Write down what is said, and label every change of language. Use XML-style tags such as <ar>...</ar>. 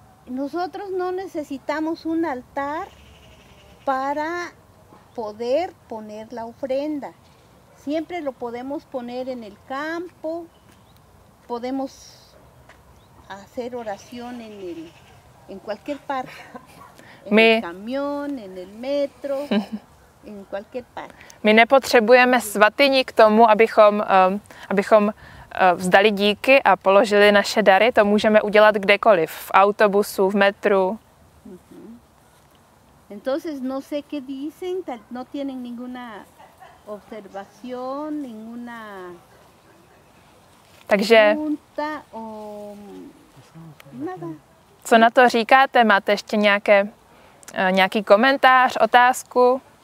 <es>Nosotros no necesitamos un altar para poder poner la ofrenda. Siempre lo podemos poner en el campo, podemos hacer oración en el, en cualquier parte. En el camión, en el metro, en cualquier parte.</es> <cs>My nepotřebujeme svatyni k tomu, abychom vzdali díky a položili naše dary. To můžeme udělat kdekoliv, v autobusu, v metru.</cs> <es>Entonces no sé qué dicen, no tienen ninguna observación, ninguna pregunta o nada.</es> <cs>Co na to říkáte? Máte ještě nějaký komentář, otázku?</cs>